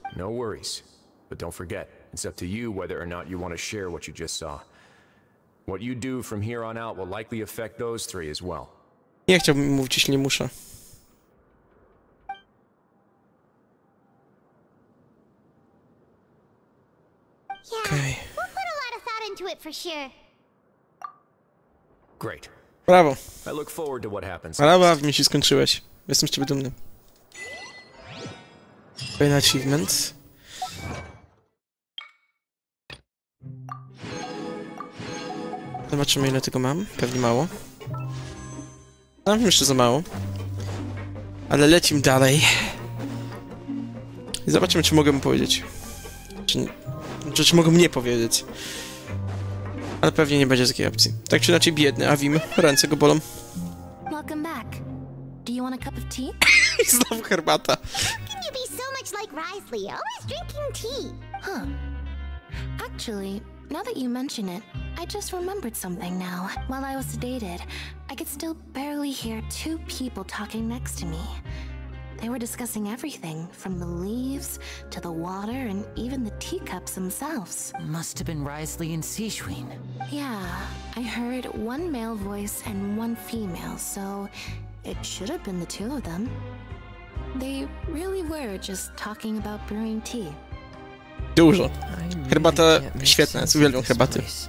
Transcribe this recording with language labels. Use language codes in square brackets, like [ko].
[en] No worries, but don't forget, it's up to you whether or not you want to share what you just saw. What you do from here on out will likely affect those 3 as well. [pl] Nie chciałbym mówić, jeśli nie muszę. [en] Yeah, okay. We'll put a lot of thought into it for sure. Great. [pl] Brawo. [en] I look forward to what happens. [pl] Brawo, mi się skończyłeś. Jestem z ciebie dumny. Kolejny achievement. Zobaczymy, ile tego mam. Pewnie mało. Mam jeszcze za mało. Ale lecimy dalej. I zobaczymy, czy mogę mu powiedzieć. Czy mogę mu nie powiedzieć. Ale pewnie nie będzie takiej opcji. Tak czy inaczej, biedny, a wiem, ręce go bolą. [en] Welcome back. Do you want a cup of tea? [pl] I znowu herbata. [en] How can you be so much like Risley, always drinking tea? Huh. Actually, now that you mention it, I just remembered something now. While I was sedated, I could still barely hear 2 people talking next to me. They were discussing everything, from the leaves, to the water, and even the teacups themselves. Must have been Risley and Sichuan. Yeah, I heard 1 male voice and 1 female, so it should have been the 2 of them. They really were just talking about brewing tea. [pl] Dużo. Herbata świetna, uwielbiam herbaty.